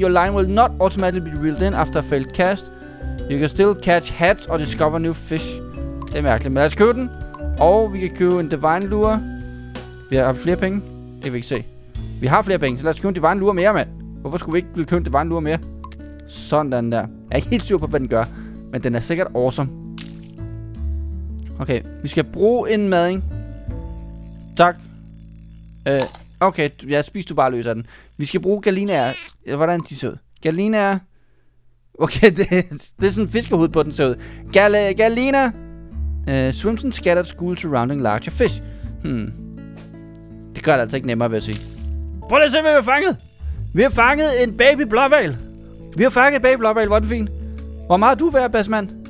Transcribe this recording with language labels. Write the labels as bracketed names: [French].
[English] Your line will not automatically be reeled in after a failed cast. You can still catch hats or discover new fish. [Danish] Det er mærkeligt, men lad os købe den. Og vi kan købe en divine lure. Vi har flere penge. Det kan vi ikke se. Vi har flere penge, så lad os købe en divine lure mere, mand. Hvorfor skulle vi ikke købe en divine lure mere? Sådan der. Jeg er ikke helt sur på, hvad den gør. Men den er sikkert awesome. Okay, vi skal bruge en mading. Tak. Okay, ja, spis du bare løs af den. Vi skal bruge galinaer. Hvordan de ser ud? Galinaer. Okay, det er sådan en fiskehud på, den ser ud. Galina. [English] Swims in scattered schools surrounding larger fish. [Danish] Det gør det altså ikke nemmere, vil jeg sige. Prøv lige at se, hvad vi har fanget. Vi har fanget en baby blåhval. Vi har fanget en baby blåhval. Hvor er den fin? Hvor meget er du værd, basmand?